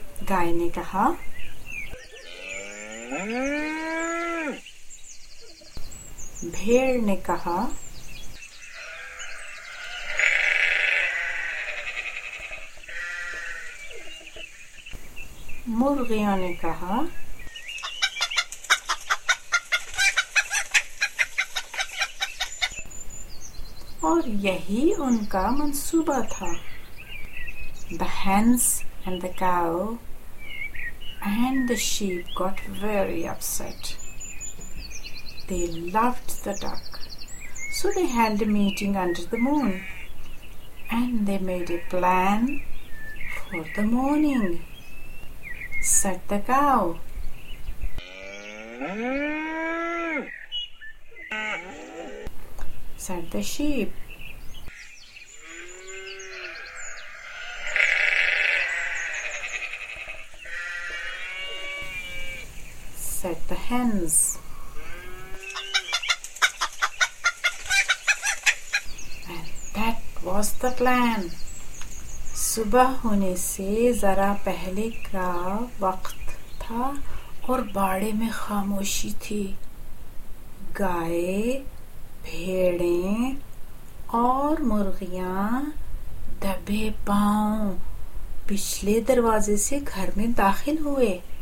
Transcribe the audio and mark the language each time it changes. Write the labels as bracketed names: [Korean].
[Hindi] गाय ने कहा, भेड़ ने कहा, मुर्गियों ने कहा, और यही उनका मंसूबा था। [English] The hens and the cow and the sheep got very upset. They loved the duck, so they held a meeting under the moon and they made a plan for the morning. Said the cow, said the sheep, said the hens, and that was the plan. [Hindi] सुबह होने से जरा पहले का वक्त था और बाड़े में खामोशी थी। गाय, भेड़ें और मुर्गियां दबे पांव पिछले दरवाजे से घर में दाखिल हुए।